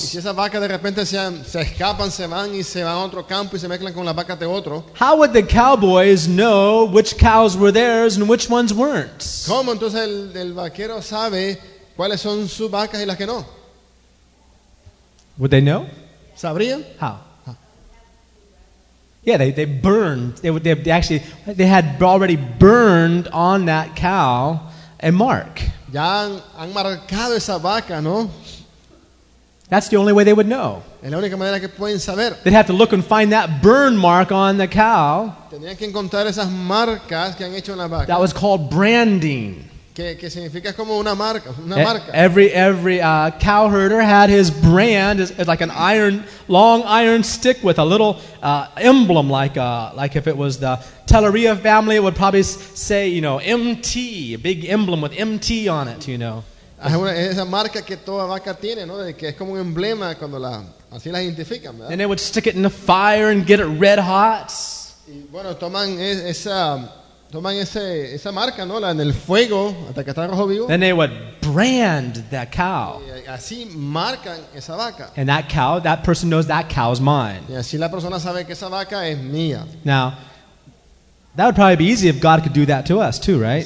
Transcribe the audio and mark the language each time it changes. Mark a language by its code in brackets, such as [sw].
[es] Y si esas vacas de repente se escapan, se van y se van a otro campo y se mezclan con las vacas de otro. [en] How would the cowboys know which cows were theirs and which ones weren't? [es] ¿Cómo entonces el vaquero sabe cuáles son sus vacas y las que no? [en] Would they know? [es] ¿Sabrían? [en] How? Yeah, they burned. They had already burned on that cow a mark. [es] Ya han marcado esa vaca, ¿no? [en] That's the only way they would know. [es] Es la única manera que pueden saber. [en] They'd have to look and find that burn mark on the cow. [es] Tenían que encontrar esas marcas que han hecho en la vaca. [en] That was called branding. [es] Que significa como una marca. [en] Every cow herder had his brand, it's like an iron, long iron stick with a little emblem, like if it was the Telleria family, it would probably say, you know, MT, a big emblem with MT on it, you know. [es] Esa marca que toda vaca tiene, ¿no? De que es como un emblema cuando la así la identifican, ¿verdad? [en] And they would stick it in the fire and get it red hot. [es] Y bueno, toman esa marca, ¿no? La en el fuego hasta que está rojo vivo. [en] Then they would brand that cow. [es] Y así marcan esa vaca. [en] And that cow, that person knows that cow is mine. [es] Y así la persona sabe que esa vaca es mía. [en] Now, that would probably be easy if God could do that to us too, right?